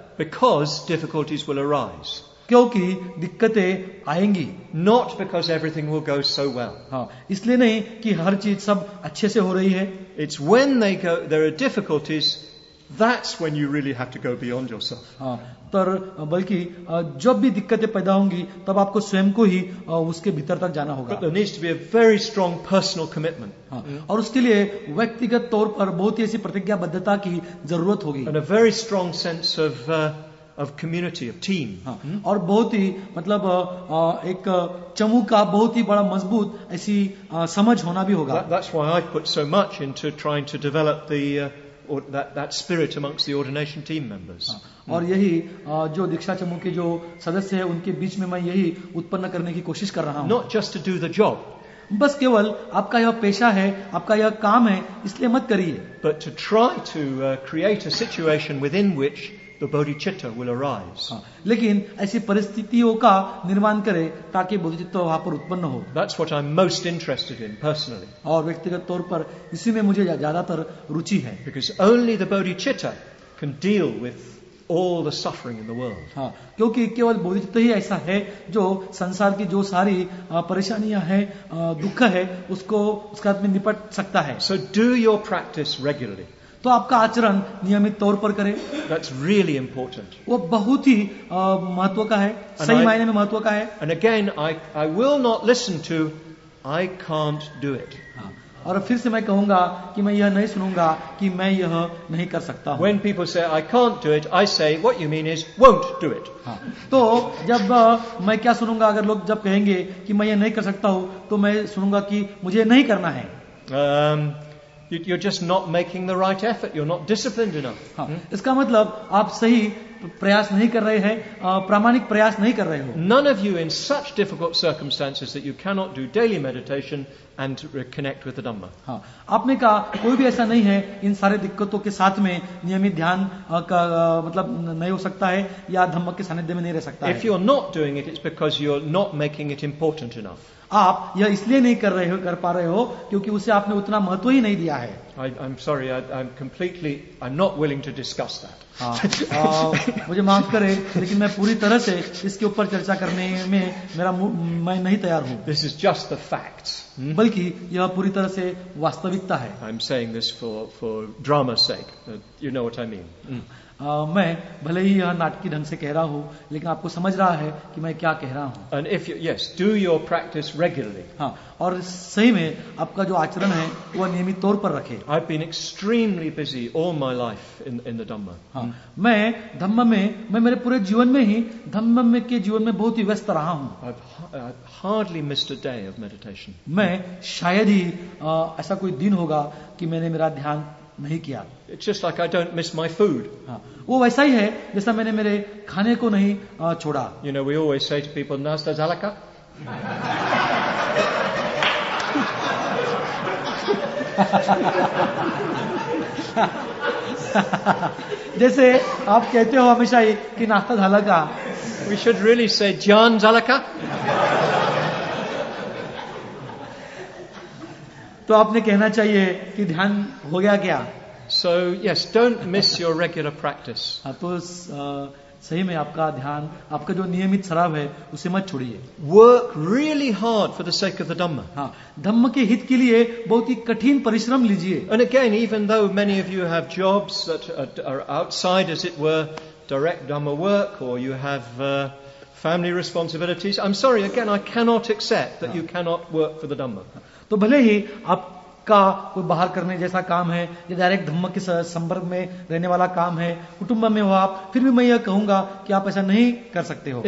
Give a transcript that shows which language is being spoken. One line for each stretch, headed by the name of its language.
English: Because difficulties will arise.
Hindi: क्योंकि दिक्कतें आएंगी.
English: Not because everything will go so well.
Hindi: इसलिए नहीं कि हर चीज सब अच्छे से हो रही है.
English: It's when they go, there are difficulties, that's when you really have to go beyond yourself.
Hindi: बल्कि जब भी दिक्कतें पैदा होंगी तब आपको स्वयं को ही उसके भीतर तक जाना होगा.
English: But there needs to be a very strong personal commitment.
Hindi: और उसके लिए व्यक्तिगत तौर पर बहुत ही ऐसी प्रतिज्ञाबद्धता की जरूरत होगी.
English: And a very strong sense of community, of team.
Hindi: और बहुत ही मतलब एक चमू का बहुत ही बड़ा मजबूत ऐसी समझ होना भी होगा.
English: That's why I put so much into trying to develop the that spirit amongst the ordination team members.
Hindi: और यही जो दीक्षा चमू के जो सदस्य हैं उनके बीच में मैं यही उत्पन्न करने की कोशिश कर रहा हूँ.
English: Not just to do the job.
Hindi: बस केवल आपका यह पेशा है, आपका यह काम है, इसलिए मत करिए.
English: But to try to create a situation within which the bodhicitta will arise.
Hindi: लेकिन ऐसी परिस्थितियों का निर्माण करें ताकि बोधिचित्त वहाँ पर उत्पन्न हो.
English: That's what I'm most interested in personally.
Hindi: और व्यक्तिगत तौर पर इसी में मुझे ज्यादातर रुचि है.
English: Because only the bodhicitta can deal with all the suffering in the world.
Hindi: क्योंकि केवल बोधिचित्त ही ऐसा है जो संसार की जो सारी परेशानियां हैं, दुख है, उसको उसके हाथ में निपट सकता है.
English: So do your practice regularly.
Hindi: तो आपका आचरण नियमित तौर पर करें.
English: That's really important.
Hindi: वो बहुत ही महत्व का है, सही मायने में महत्व का है.
English: And again, I will not listen to, I can't do it.
Hindi: और फिर से मैं कहूंगा कि मैं यह नहीं सुनूंगा कि मैं यह नहीं कर सकता
English: हूं. When people say I can't do it, I say what you mean is won't do it.
Hindi: तो जब मैं क्या सुनूंगा, अगर लोग जब कहेंगे कि मैं यह नहीं कर सकता हूं, तो मैं सुनूंगा कि मुझे नहीं करना है.
English: You're just not making the right effort. You're not disciplined enough.
Hindi: इसका मतलब आप सही प्रयास नहीं कर रहे हैं, प्रामाणिक प्रयास नहीं कर रहे हो.
English: None of you in such difficult circumstances that you cannot do daily meditation and connect with the Dhamma.
Hindi: आपने कहा कोई भी ऐसा नहीं है इन सारे दिक्कतों के साथ में नियमित ध्यान का मतलब नहीं हो सकता है या धम्म के सानिध्य में नहीं रह सकता.
English: If you're not doing it, it's because you're not making it important enough.
Hindi: आप यह इसलिए नहीं कर रहे हो, कर पा रहे हो, क्योंकि उसे आपने उतना महत्व ही नहीं दिया है.
English: I'm not willing to discuss that.
Hindi: मुझे माफ करें, लेकिन मैं पूरी तरह से इसके ऊपर चर्चा करने में मैं नहीं तैयार हूँ.
English: This is just the facts.
Hindi: बल्कि यह पूरी तरह से वास्तविकता है.
English: I'm saying this for drama's sake. You know what I mean.
Hindi: मैं भले ही यह नाटकीय ढंग से कह रहा हूं लेकिन आपको समझ रहा है कि मैं क्या कह रहा हूं.
English: And if you, yes, do your practice regularly.
Hindi: हाँ, और सही में आपका जो आचरण है वह नियमित तौर पर रखें.
English: I've been extremely busy all my life in the Dhamma.
Hindi: हाँ, मैं मेरे पूरे जीवन में ही धम्म में के जीवन में बहुत ही व्यस्त रहा हूं.
English: I've hardly missed a day of meditation.
Hindi: मैं शायद ही ऐसा कोई दिन होगा कि मैंने मेरा ध्यान नहीं किया.
English: It's just like I don't miss my food.
Hindi: वो वैसा ही है जैसा मैंने मेरे खाने को नहीं छोड़ा.
English: You know, we always say to people,
Marathi: "Nasta zalaka."
Hindi: जैसे आप कहते हो हमेशा ही कि
Marathi: नाश्ता झालका.
English: We should really say,
Marathi: "Jan zalaka."
Hindi: तो आपने कहना चाहिए कि ध्यान हो गया क्या?
English: So yes, don't miss your regular practice.
Hindi: तो सही में आपका ध्यान, आपका जो नियमित शराब है, उसे मत छोड़िए.
English: Work really hard for the sake of the Dhamma.
Hindi: हाँ, धम्म के हित के लिए बहुत ही कठिन परिश्रम लीजिए.
English: And again, even though many of you have jobs that are outside, as it were, direct Dhamma work, or you have family responsibilities, I'm sorry, again, I cannot accept that you cannot work for the Dhamma.
Hindi: तो भले ही आपका कोई बाहर करने जैसा काम है या डायरेक्ट धम्म के संपर्क में रहने वाला काम है, कुटुंब में हो आप, फिर भी मैं यह कहूंगा कि आप ऐसा नहीं कर सकते हो.